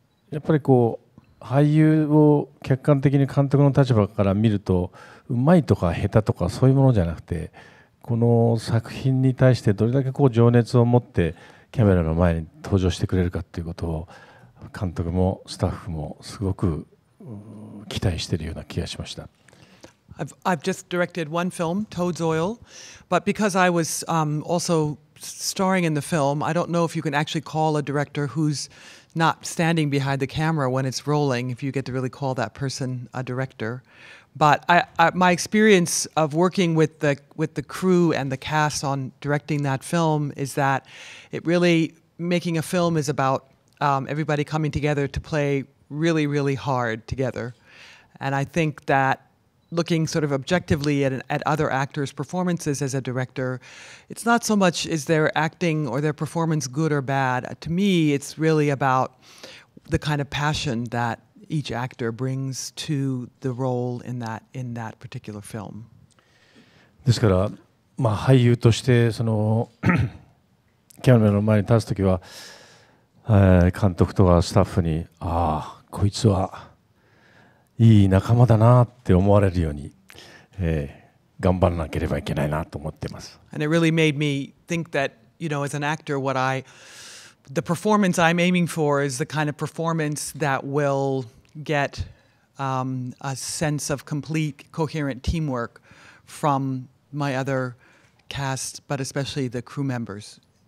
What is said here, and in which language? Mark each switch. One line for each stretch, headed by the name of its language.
Japanese: やっぱりこう俳優を客観的に監督の立場から見ると、うまいとか下手とかそういうものじゃなくて、この作品に対してどれだけこう情熱を持ってキャメラの前に登場してくれるかということを監督もスタッフもすごく期待しているような気がしました。
English: I've just directed one film, Toad's Oil, but because I was also starring in the film, I don't know if you can actually call a director who's not standing behind the camera when it's rolling, if you get to really call that person a director. But I, my experience of working with the crew and the cast on directing that film is that it really, making a film is about everybody coming together to play really, really hard together. And I think that looking sort of objectively at other actors' performances as a director, it's not so much is their acting or their performance good or bad. To me, it's really about the kind of passion that each actor brings to the role in that particular film.
Japanese: ですから、まあ、俳優としてそのキャメラの前に立つときは、監督とかスタッフに、ああ、こいつはいい仲間だなって思われるように、頑張らなければいけないなと思ってます。
English: And it really made me think that, you know, as an actor, the performance I'm aiming for is the kind of performance that will get a sense of complete, coherent teamwork from my other cast, but especially the crew members.